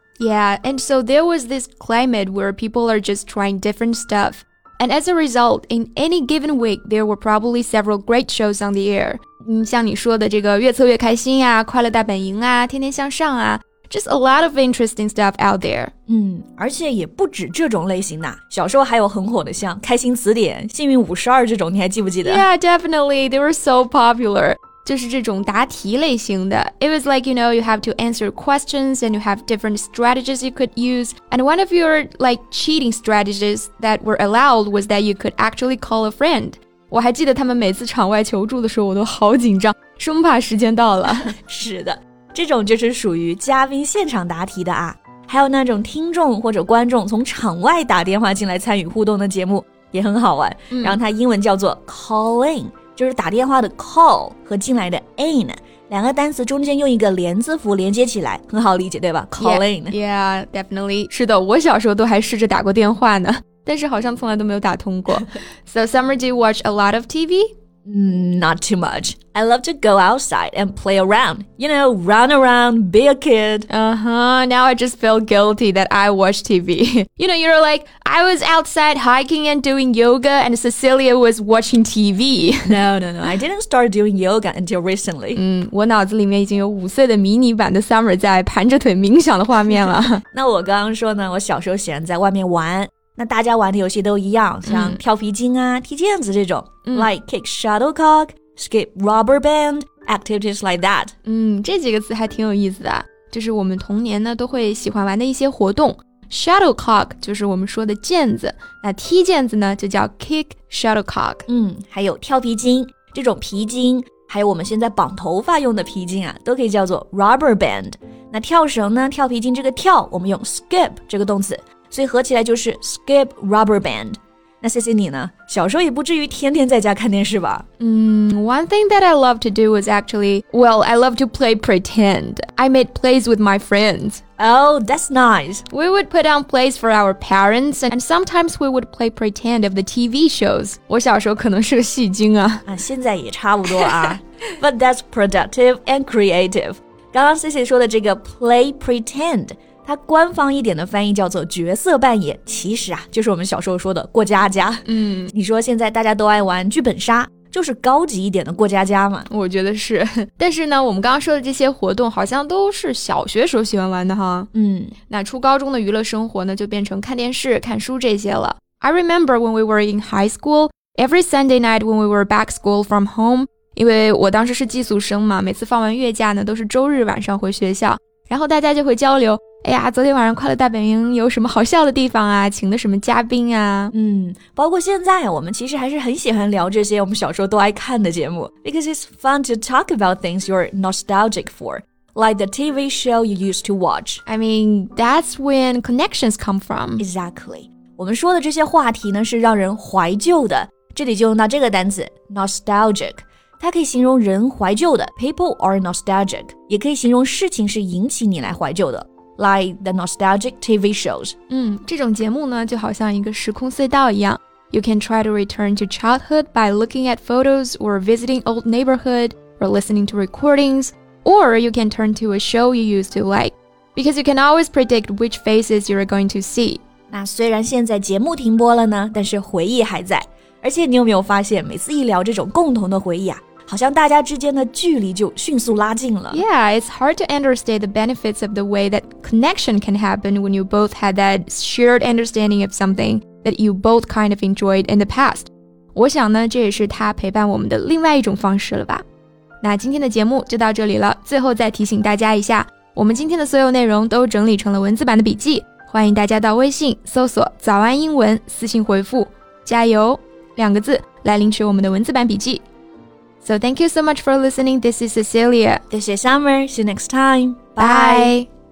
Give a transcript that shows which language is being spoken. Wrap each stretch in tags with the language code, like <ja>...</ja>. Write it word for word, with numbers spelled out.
<en>Yeah, and so there was this climate where people are just trying different stuff. And as a result, in any given week, there were probably several great shows on the air.</en> <zh>嗯，像你说的这个越策越开心啊，快乐大本营啊，天天向上啊</zh> <en>Just a lot of interesting stuff out there.</en> <zh>嗯，而且也不止这种类型的，小时候还有很火的像开心词典、幸运五十二这种，你还记不记得？</zh> <en>Yeah, definitely. They were so popular.</en> <zh>就是这种答题类型的</zh> <en>It was like, you know, you have to answer questions and you have different strategies you could use. And one of your like cheating strategies that were allowed was that you could actually call a friend.</en> <zh>我还记得他们每次场外求助的时候我都好紧张，生怕时间到了。是的，这种就是属于嘉宾现场答题的啊。还有那种听众或者观众从场外打电话进来参与互动的节目也很好玩，嗯，然后它英文叫做 call in， 就是打电话的 call 和进来的 in 两个单词中间用一个连字符连接起来，很好理解对吧？</zh> <en>call in yeah, yeah, definitely</en> <zh>是的，我小时候都还试着打过电话呢，但是好像从来都没有打通过。</zh> <en>So Summer, do you watch a lot of T V? Mm, not too much. I love to go outside and play around. You know, run around, be a kid. Uh-huh. Now I just feel guilty that I watch T V. You know, you're like, I was outside hiking and doing yoga and Cecilia was watching T V. No, no, no. I didn't start doing yoga until recently.</en> <zh>嗯，我脑子里面已经有五岁的迷你版的 Summer 在盘着腿冥想的画面了。那我刚刚说呢，我小时候喜欢在外面玩。那大家玩的游戏都一样，像跳皮筋啊、踢毽子这种、嗯、</zh> <en>like kick shuttlecock, skip rubber band, activities like that。</en> <zh>嗯，这几个词还挺有意思的，就是我们童年呢都会喜欢玩的一些活动。 Shuttlecock 就是我们说的毽子，那踢毽子呢就叫 kick shuttlecock。嗯，还有跳皮筋，这种皮筋还有我们现在绑头发用的皮筋啊都可以叫做 rubber band。那跳绳呢，跳皮筋这个跳我们用 skip 这个动词，所以合起来就是 skip rubber band。那 Cici 你呢，小时候也不至于天天在家看电视吧？</zh> <en>嗯， one thing that I love to do is actually, well, I love to play pretend. I made plays with my friends. Oh, that's nice. We would put on plays for our parents and sometimes we would play pretend of the T V shows.</en> <zh>我小时候可能是个戏精啊。啊，现在也差不多啊。</zh> <en>But that's productive and creative.</en> <zh>刚刚 Cici 说的这个 play pretend，它官方一点的翻译叫做角色扮演，其实啊就是我们小时候说的过家家。嗯，你说现在大家都爱玩剧本杀，就是高级一点的过家家嘛。我觉得是，但是呢我们刚刚说的这些活动好像都是小学时候喜欢玩的哈。嗯，那初高中的娱乐生活呢就变成看电视看书这些了。</zh> <en>I remember when we were in high school, every Sunday night when we were back school from home,</en> <zh>因为我当时是寄宿生嘛，每次放完月假呢都是周日晚上回学校，然后大家就会交流，哎呀，昨天晚上快乐大本营有什么好笑的地方啊？请的什么嘉宾啊？嗯，包括现在我们其实还是很喜欢聊这些我们小时候都爱看的节目。</zh> <en>Because it's fun to talk about things you're nostalgic for, like the T V show you used to watch. I mean, that's when connections come from. Exactly.</en> <zh>我们说的这些话题呢，是让人怀旧的。这里就用到这个单词 nostalgic。它可以形容人怀旧的</zh> <en>people are nostalgic，</en> <zh>也可以形容事情是引起你来怀旧的。</zh> <en>Like the nostalgic T V shows.</en> <zh>嗯，这种节目呢，就好像一个时空隧道一样。</zh> <en>You can try to return to childhood by looking at photos or visiting old neighborhood or listening to recordings, or you can turn to a show you used to like, because you can always predict which faces you are going to see.</en> <zh>那虽然现在节目停播了呢，但是回忆还在。而且你有没有发现，每次一聊这种共同的回忆啊，好像大家之间的距离就迅速拉近了。</zh> <en>Yeah, it's hard to understate the benefits of the way that connection can happen when you both had that shared understanding of something that you both kind of enjoyed in the past.</en> <zh>我想呢，这也是它陪伴我们的另外一种方式了吧。那今天的节目就到这里了，最后再提醒大家一下，我们今天的所有内容都整理成了文字版的笔记，欢迎大家到微信搜索早安英文，私信回复加油两个字来领取我们的文字版笔记。</zh> <en>So thank you so much for listening. This is Cecilia. This is Summer. See you next time. Bye. Bye.</en>